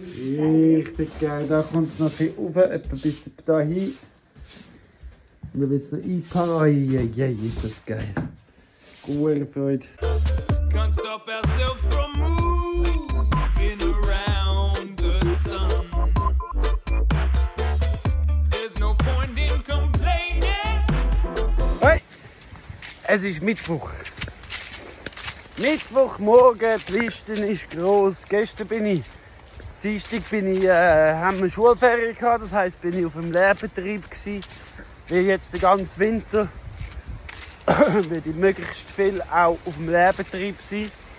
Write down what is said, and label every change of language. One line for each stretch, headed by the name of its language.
German: Richtig geil. Da kommt es noch hoch, etwa bis dahin. Und dann wird es noch einpacken. Oh, yeah, ist das geil. Gute Freude.
English: Can't stop ourselves from moving around the sun. There's no point in complaining.
German: Hey, es ist Mittwoch. Mittwochmorgen, die Liste ist gross. Gestern bin ich, Dienstag bin ich, haben wir Schulferien gehabt. Das heisst, bin ich auf dem Lehrbetrieb gsi. Wie jetzt den ganzen Winter. Werde ich möglichst viel auch auf dem Lehrbetrieb sein.